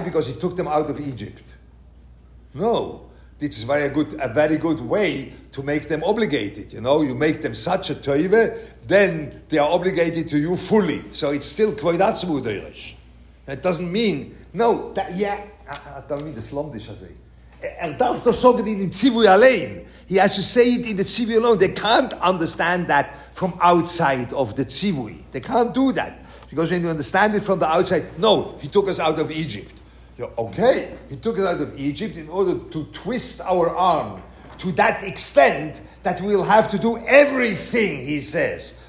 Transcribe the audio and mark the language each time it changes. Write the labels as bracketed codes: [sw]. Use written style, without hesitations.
[en] Because he took them out of Egypt. No, this is a very good way to make them obligated. You know, you make them such a toive, then they are obligated to you fully. So it's still [he] kvod atzmo nidoyrash. [en] It doesn't mean, no, that, yeah, I don't mean the slomdish, I say. [yi] Er darf doch sagen in dem Zivui allein. [en] He has to say it in the Zivui alone. They can't understand that from outside of the Zivui. They can't do that. Because when you understand it from the outside, no, he took us out of Egypt. You're, okay, he took us out of Egypt in order to twist our arm to that extent that we'll have to do everything he says.